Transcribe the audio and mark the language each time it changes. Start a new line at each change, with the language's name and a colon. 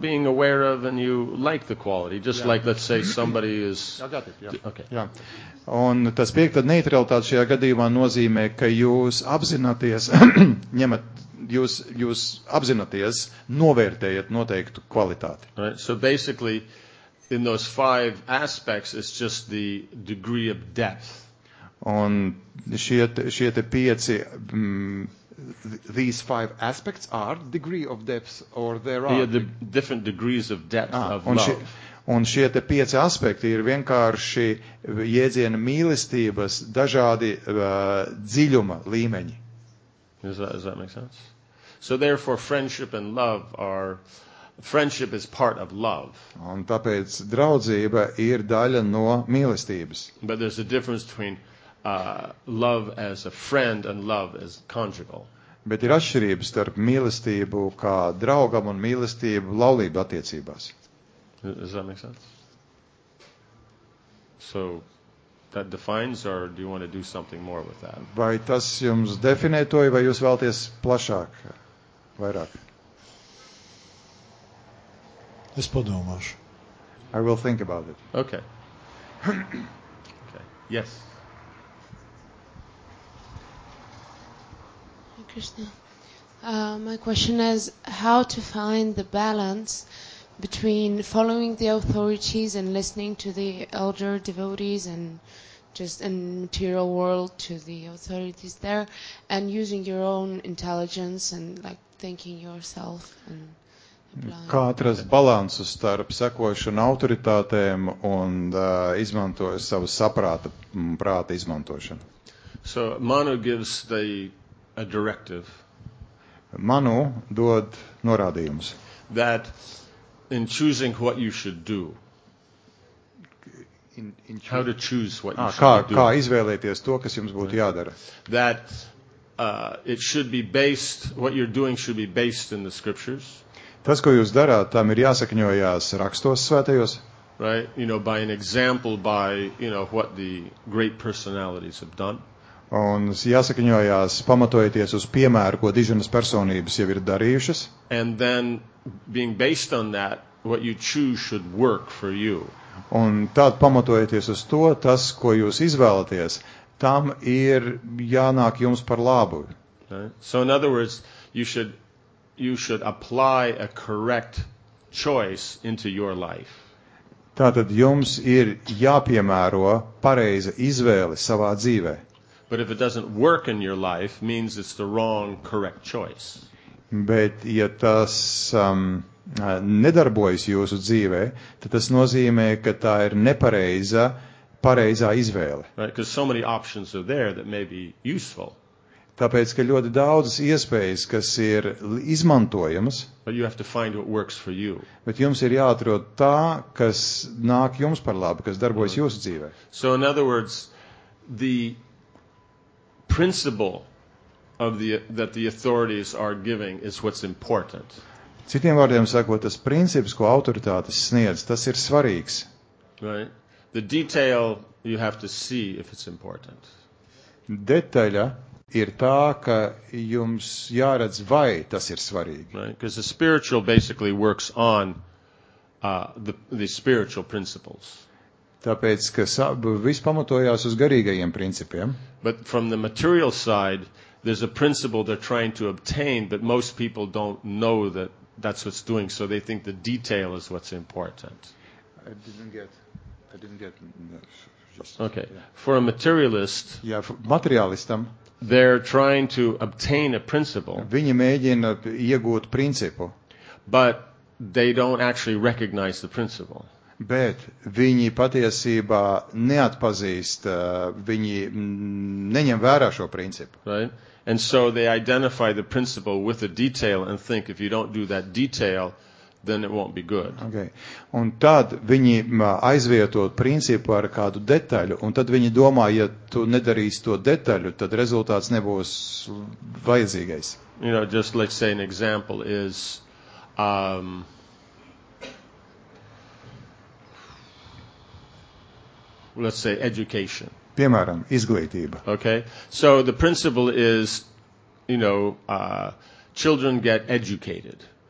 English: Being aware of and you like the quality, just yeah. Like, let's say, somebody is... I got it, yeah. Okay. Yeah.
Latvian: Un tas piekta neutralitāte šajā gadījumā nozīmē, ka jūs apzināties, jūs apzināties, novērtējat noteiktu kvalitāti.
English: Right, so basically, in those five aspects, it's just the degree of depth.
Latvian: Un šie te pieci...
English: These five aspects are degree of depth or there are the different degrees of depth of love.
Latvian: Un šie te pieci aspekti ir vienkārši jēdziena mīlestības dažādi dziļuma līmeņi.
English: Does that make sense? So therefore friendship and love are friendship is part of love.
Latvian: Un tāpēc draudzība ir daļa no mīlestības.
English: But there's a difference between love as a friend and love as conjugal.
Latvian: Bet ir atšķirība starp mīlestību kā draugam un mīlestību laulību attiecībās.
English: Does that make sense? So, that defines or do you want to do something more with that?
Latvian: Vai tas jums definē to, vai jūs vēlties plašāk, vairāk? Es padomāšu.
English: I will think about it. Okay. Okay. Yes. Krishna, my question is how to find the balance between following the authorities and listening to the elder devotees and just in material world to the authorities there and using your own intelligence and like thinking yourself and applying.
Latvian: Kā atrast balansu starp sekošanu autoritātēm un izmantojot savu saprātu, prāta izmantošanu.
English: So Manu gives the a directive.
Latvian: Manu dod norādījumus.
English: That in choosing what you should do. How to choose what you should do.
Latvian: Kā izvēlēties to, kas jums būtu jādara.
English: That it should be based, what you're doing should be based in the scriptures.
Latvian: Tas, ko jūs darāt, tam ir jāsakņojās rakstos svētajos.
English: Right, you know, by an example, by, you know, what the great personalities have done.
Latvian: Un jāsakaņojās pamatojoties uz piemēru, ko dižanas personības jau ir darījušas.
English: And then being based on that, what you choose should work for you.
Latvian: Un tad pamatojoties uz to, tas, ko jūs izvēlaties, tam ir jānāk jums par labu.
English: Right? So in other words, you should apply a correct choice into your life.
Latvian: Tātad jums ir jāpiemēro pareiza izvēle savā dzīvē.
English: But if it doesn't work in your life, means it's the wrong, correct choice.
Latvian: Bet ja tas nedarbojas jūsu dzīvē, tad tas nozīmē, ka tā ir nepareiza, pareizā izvēle.
English: Right, because so many options are there that may be useful.
Latvian: Tāpēc, ka ļoti daudzas iespējas, kas ir izmantojamas,
English: but you have to find what works for you.
Latvian: Bet jums ir jāatrod tā, kas nāk jums par labu, kas darbojas jūsu dzīvē.
English: So in other words, the principle of the that the authorities are giving is what's important.
Latvian: Citiem vārdiem sakot, tas princips, ko autoritātes sniedz, tas ir svarīgs.
English: Right? The detail you have to see if it's important.
Latvian: Detaļa ir tā, ka jums jāredz, vai tas ir svarīgi.
English: Right? Because the spiritual basically works on the spiritual principles.
Latvian: Tāpēc, ka viss pamatojās uz garīgajiem principiem.
English: But from the material side, there's a principle they're trying to obtain, but most people don't know that that's what's doing, so they think the detail is what's important. I didn't get. Okay. Yeah. For a materialist,
Latvian: yeah, materialistam,
English: they're trying to obtain a principle.
Latvian: Viņi mēģina iegūt principu.
English: But they don't actually recognize the principle.
Latvian: Bet viņi patiesībā neatpazīst, viņi neņem vērā šo principu.
English: Right? And so they identify the principle with a detail and think if you don't do that detail, then it won't be good. Okay.
Latvian: Un tad viņi aizvietot principu ar kādu detaļu, un tad viņi domā, ja tu nedarīsi to detaļu, tad rezultāts nebūs vajadzīgais.
English: You know, just let's say an example is... let's say education.
Latvian: Piemēram, izglītība.
English: Okay. So the principle is, you know, children get educated.